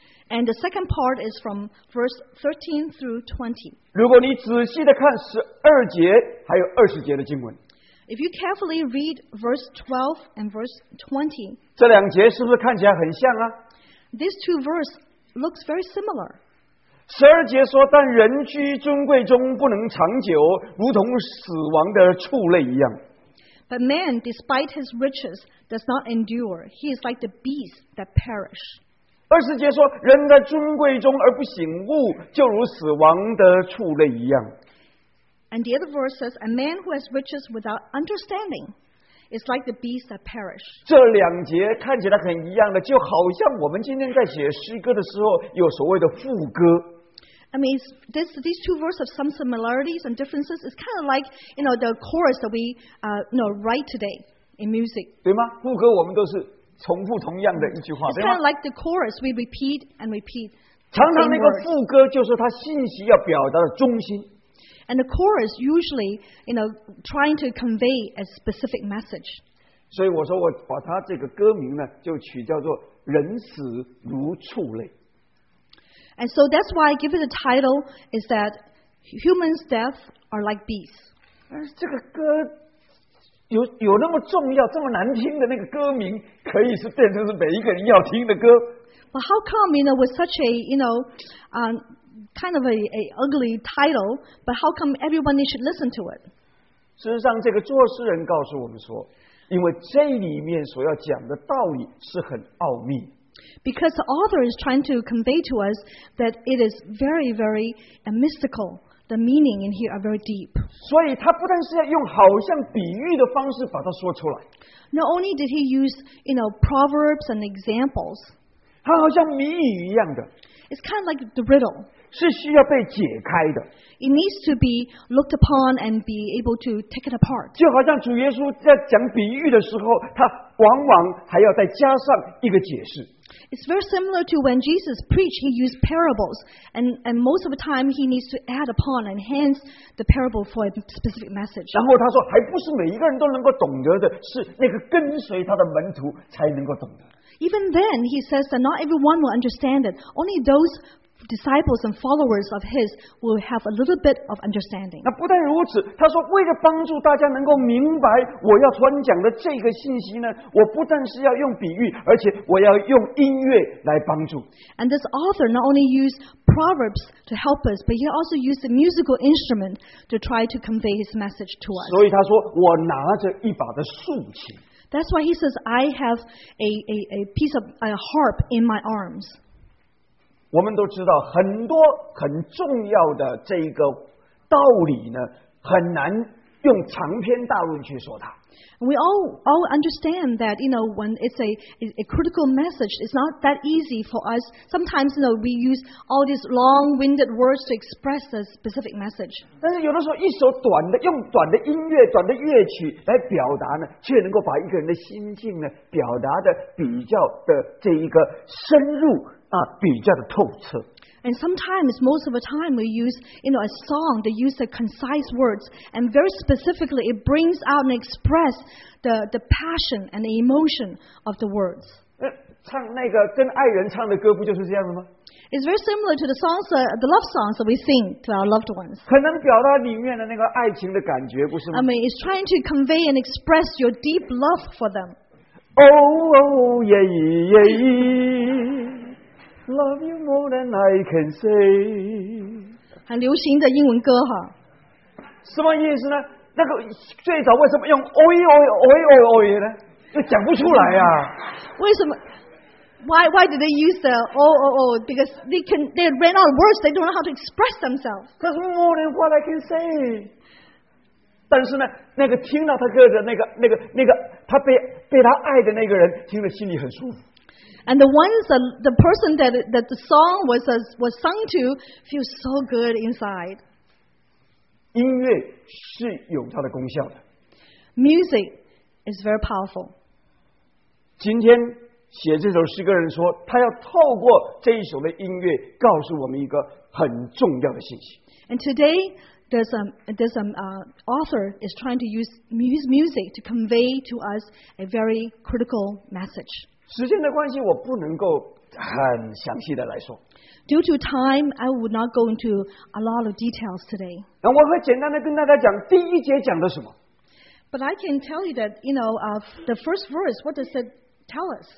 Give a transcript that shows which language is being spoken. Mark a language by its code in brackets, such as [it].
[en] And the second part is from verse 13 through 20. [zh] 如果你仔细地看12节还有20节的经文， [en] If you carefully read verse 12 and verse 20, [zh] 这两节是不是看起来很像啊？ [en] These two verses look very similar. [zh] 12节说，但人居尊贵中不能长久，如同死亡的畜类一样。 [en] But man, despite his riches, does not endure. He is like the beasts that perish. [zh] 二十节说，人在尊贵中而不醒悟，就如死亡的畜类一样。 [en] And the other verse says, a man who has riches without understanding is like the beast that perish. [zh] 这两节看起来很一样的，就好像我们今天在写诗歌的时候有所谓的副歌。 [en] I mean, these two verses have some similarities and differences. It's kind of like, you know, the chorus that we write today in music. [zh] 对吗？副歌我们都是重复同样的一句话， [en] It's kind of like the chorus, we repeat and repeat. [zh] 常常那个副歌就是他信息要表达的中心。 [en] And the chorus usually, you know, trying to convey a specific message. [zh] 所以我说我把他这个歌名呢，就取叫做《人死如畜类》。 [en] And so that's why I give it a title is that humans' death are like beasts. [zh] 这个歌。有那么重要这么难听的那个歌名可以是变成是每一个人要听的歌。 [en] But how come, you know, with such a, you know, kind of a ugly title, but how come everybody should listen to it? [zh] 事实上这个作诗人告诉我们说，因为这里面所要讲的道理是很奥秘。 [en] Because the author is trying to convey to us that it is very, very mystical. The meaning in here are very deep. [zh] 所以他不但是要用好像比喻的方式把它说出来。 [en] Not only did he use, you know, proverbs and examples. [zh] 他好像谜语一样的。 [en] It's kind of like the riddle. [zh] 是需要被解开的。 [en] It needs to be looked upon and be able to take it apart. [zh] 就好像主耶稣在讲比喻的时候，他往往还要再加上一个解释。 [en] It's very similar to when Jesus preached, he used parables, and most of the time he needs to add upon and enhance the parable for a specific message. [zh] 然后他说，还不是每一个人都能够懂得的，是那个跟随他的门徒才能够懂得。 [en] Even then, he says that not everyone will understand it. Only those disciples and followers of his will have a little bit of understanding. [zh] 那不但如此，他说为了帮助大家能够明白我要传讲的这个信息呢，我不但是要用比喻，而且我要用音乐来帮助。 [en] And this author not only used proverbs to help us, but he also used a musical instrument to try to convey his message to us. [zh] 所以他说我拿着一把的竖琴。 [en] That's why he says I have a piece of a harp in my arms. [zh] 我们都知道很多很重要的这一个道理呢，很难用长篇大论去说它。 [en] We all understand that, you know, when it's a critical message, it's not that easy for us. Sometimes, you know, we use all these long-winded words to express a specific message. [zh] 但是有的时候，一首短的，用短的音乐、短的乐曲来表达呢，却能够把一个人的心境呢，表达的比较的这一个深入。啊、比较的透彻。 [en] And sometimes, most of the time, we use, you know, a song that uses concise words, and very specifically, it brings out and expresses the passion and the emotion of the words. [zh] 唱那个跟爱人唱的歌不就是这样的吗？ [en] It's very similar to the songs, the love songs that we sing to our loved ones. [zh] 可能表达里面的那个爱情的感觉，不是吗？ [en] I mean, it's trying to convey and express your deep love for them. Oh, oh, yeah, yeah, yeah. Love you more than I can say. [zh] 很流行的英文歌哈。什么意思呢？那个最早为什么用 oi oi oi oi oi 呢？就讲不出来啊。为什么 [en] ？Why did they use the o o o? Because they ran out of words. They don't know how to express themselves. Because more than what I can say. [zh] 但是呢，那个听到他歌的那个他被他爱的那个人，听了心里很舒服。 [en] And the ones that the person that the song was sung to feels so good inside. [zh] 音乐是有它的功效的。 [en] Music is very powerful. [zh] 今天写这首诗歌人说，他要透过这一首的音乐告诉我们一个很重要的信息。 [en] And today, there's an author is trying to use music to convey to us a very critical message. [zh] 时间的关系，我不能够很详细的来说。 [en] Due to time, I would not go into a lot of details today. [zh] 那我会简单的跟大家讲第一节讲的什么。 [en] But I can tell you that, you know, the first verse, what does it tell us?